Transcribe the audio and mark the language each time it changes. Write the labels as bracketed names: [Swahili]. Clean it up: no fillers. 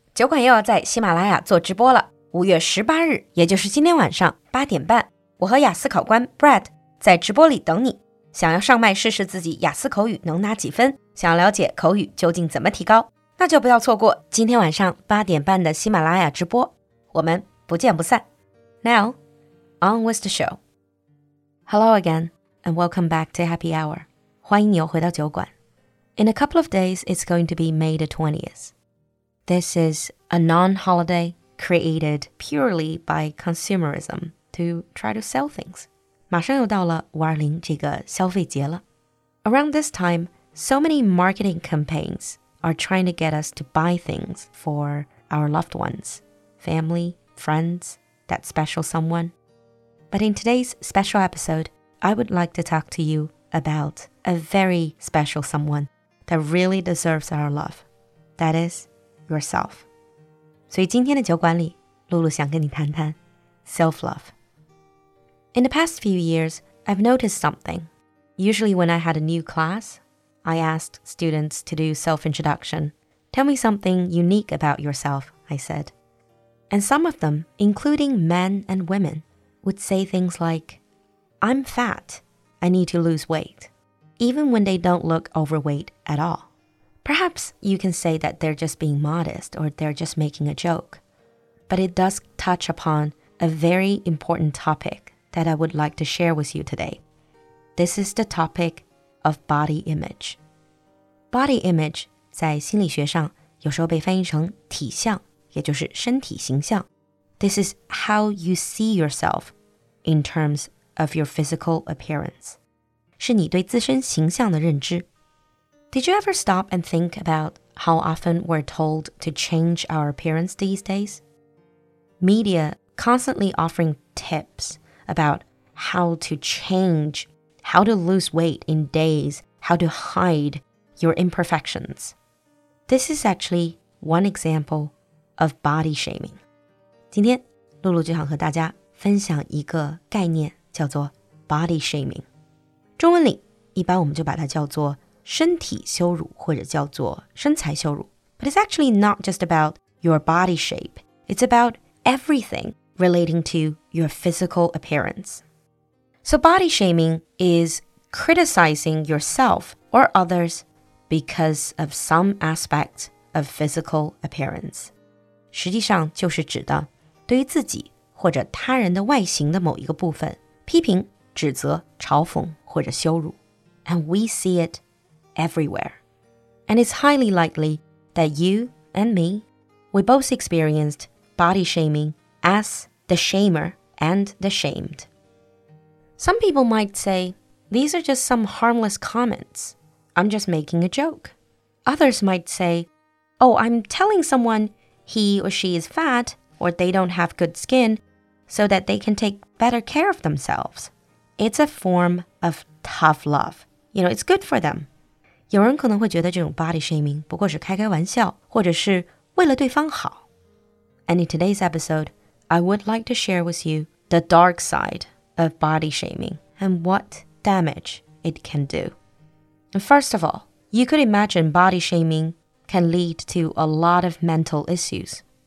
[Chinese] 酒馆又要在喜马拉雅做直播了。5月18日，也就是今天晚上8点半，我和雅思考官 Brett 在直播里等你。想要上麦试试自己雅思口语能拿几分，想要了解口语究竟怎么提高，那就不要错过今天晚上8点半的喜马拉雅直播。我们不见不散。 [English] Now, on with the show. Hello again, and welcome back to Happy Hour. [Chinese] 欢迎你又回到酒馆。 [English] In a couple of days, it's going to be May the 20th. This is a non-holiday created purely by consumerism to try to sell things. [Chinese] 马上又到了520这个消费节了。 [English] Around this time, so many marketing campaigns are trying to get us to buy things for our loved ones, family, friends, that special someone. But in today's special episode, I would like to talk to you about a very special someone that really deserves our love. That is yourself. [Chinese] 所以今天的酒馆里，露露想跟你谈谈 self-love. [English] In the past few years, I've noticed something. Usually when I had a new class, I asked students to do self-introduction. Tell me something unique about yourself, I said. And some of them, including men and women, would say things like, I'm fat, I need to lose weight, even when they don't look overweight at all. Perhaps you can say that they're just being modest or they're just making a joke. But it does touch upon a very important topic that I would like to share with you today. This is the topic of body image. [Chinese] Body image 在心理学上有时候被翻译成体相，也就是身体形象。 [English] This is how you see yourself in terms of your physical appearance. [Chinese] 是你对自身形象的认知。 [English] Did you ever stop and think about how often we're told to change our appearance these days? Media constantly offering tips about how to change, how to lose weight in days, how to hide your imperfections. This is actually one example of body shaming. [Chinese] 今天，露露就想和大家分享一个概念，叫做 body shaming。中文里，一般我们就把它叫做身体羞辱或者叫做身材羞辱。 [English] But it's actually not just about your body shape. It's about everything relating to your physical appearance. So body shaming is criticizing yourself or others because of some aspect of physical appearance. [Chinese] 实际上就是指的对于自己或者他人的外形的某一个部分，批评、指责、嘲讽或者羞辱。 [English] And we see itEverywhere. And it's highly likely that you and me, we both experienced body shaming as the shamer and the shamed. Some people might say, these are just some harmless comments. I'm just making a joke. Others might say, oh, I'm telling someone he or she is fat or they don't have good skin so that they can take better care of themselves. It's a form of tough love. You know, it's good for them. [Chinese] 有人可能会觉得这种 body shaming 不过是开开玩笑，或者是为了对方好。 [English] And in today's episode, I would like to share with you the dark side of body shaming and what damage it can do. And first of all, you could imagine body shaming can lead to a lot of mental issues.